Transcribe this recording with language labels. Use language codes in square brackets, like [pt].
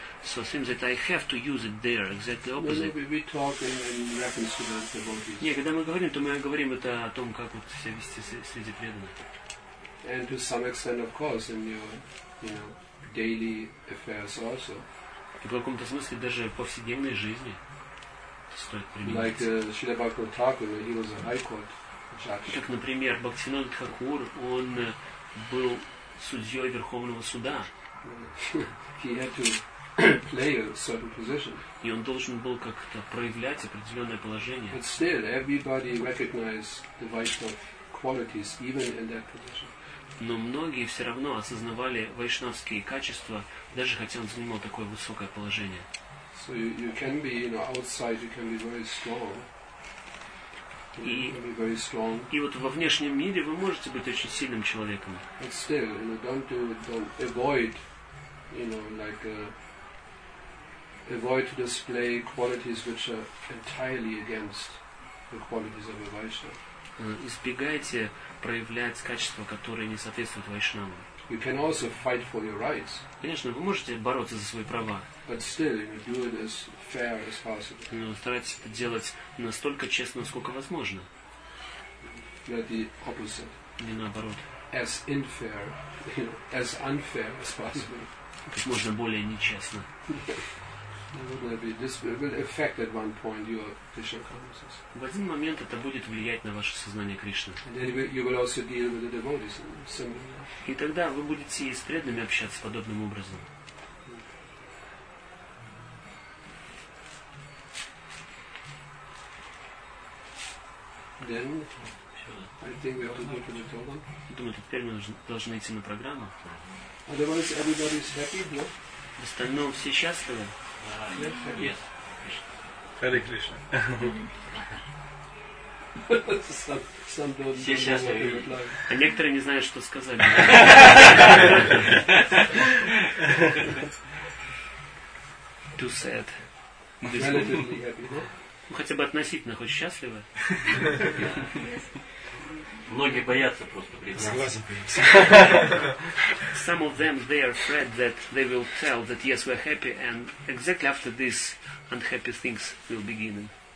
[en] So it seems that I have to use it there, exactly opposite. We talk in reference to the devotees. Yeah, [ru] когда мы говорим, то мы говорим это о том, как вот себя вести среди преданных. [en] And to some extent, of course, in your, you know, daily affairs also. [ru] И в каком-то смысле даже в повседневной жизни стоит применить. [en] Like Śrīla Bhaktivinoda Thakura, he was a high court judge. [ru] Как, например, Бхактивинода Тхакур, он был судьей Верховного суда. [en] He had to play a certain position. [ru] И он должен был как-то проявлять определенное положение. [en] But still, everybody recognized the Vaishnava qualities even in that position. [ru] Но многие все равно осознавали вайшнавские качества, даже хотя он занимал такое высокое положение. [en] So you can be, you know, outside you can be very strong. [ru] И вот во внешнем мире вы можете быть очень сильным человеком. [en] But still, you know, don't avoid, you know, like avoid to display qualities which are entirely against the qualities of a Vaishnava. [ru] Избегайте проявлять качества, которые не соответствуют вайшнавам. [en] You can also fight for your rights. [ru] Конечно, вы можете бороться за свои права. [en] But still, you do it as fair as possible. [ru] Но старайтесь это делать настолько честно, насколько возможно. [en] Not the opposite. [ru] Не наоборот. [en] As unfair, as unfair as possible. [ru] Как можно более нечестно. [en] This will affect at one point your Krishna consciousness. [ru] В один момент это будет влиять на ваше сознание Кришны. [en] And then you will also deal with the devotees in a similar way. [ru] И тогда вы будете и с преданными общаться подобным образом. [en] Then I think we have to go to the program. [ru] Думаю, теперь мы должны идти на программу. [en] Otherwise everybody is happy, no? [ru] В остальном все счастливы. [en] Hare Krishna. Some [ru] все счастливы. А некоторые не знают, что сказали. Too sad. Ну, хотя бы относительно, хоть счастливы. Многие боятся просто признаться. Согласен. [en] Some of them, they are afraid that they will tell that yes, we're happy, and exactly after this, unhappy things will begin.